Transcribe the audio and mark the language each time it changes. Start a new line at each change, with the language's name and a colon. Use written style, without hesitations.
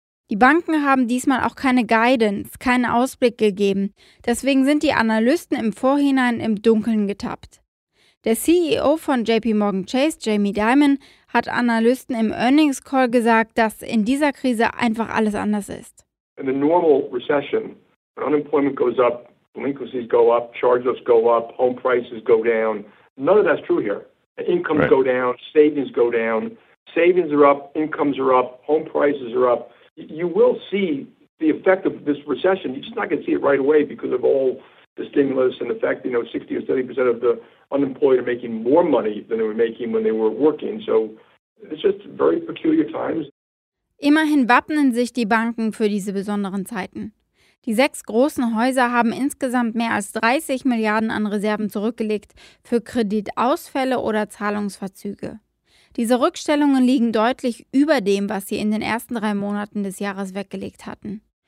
German: Die Banken haben diesmal auch keine Guidance, keinen Ausblick gegeben. Deswegen sind die Analysten im Vorhinein im Dunkeln getappt. Der CEO von JP Morgan Chase, Jamie Dimon, hat Analysten im Earnings Call gesagt, dass in dieser Krise einfach alles anders ist.
English: In the normal recession, when unemployment goes up, delinquencies go up, charge-offs go up, home prices go down. None of that's true here. Incomes right. go down, savings go down. Savings are up, incomes are up, home prices are up. You will see the effect of this recession. You're just not going to see it right away because of all the stimulus and the fact, you know, 60 or 70% of the unemployed are making more money than they were making when they were working. So it's just very peculiar times.
German: Immerhin wappnen sich die Banken für diese besonderen Zeiten. Die 6 großen Häuser haben insgesamt mehr als 30 Milliarden an Reserven zurückgelegt für Kreditausfälle oder Zahlungsverzüge. Diese Rückstellungen liegen deutlich über dem, was sie in den ersten 3 Monaten des Jahres weggelegt hatten.